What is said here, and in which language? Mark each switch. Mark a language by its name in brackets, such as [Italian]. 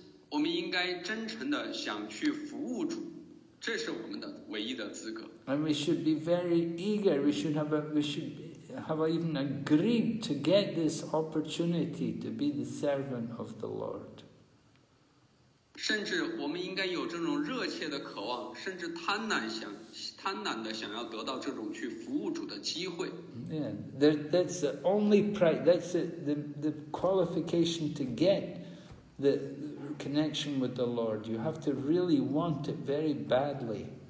[Chinese] 我们应该真诚的想去服务主，这是我们的唯一的资格。 [English] And we should be very eager. We should have even agreed to get this opportunity to be the servant of the Lord. [Chinese] 甚至我们应该有这种热切的渴望，甚至贪婪的想要得到这种去服务主的机会。 [English] Yeah, that's the only price. That's the qualification to get the connection with the Lord. You have to really want it very badly.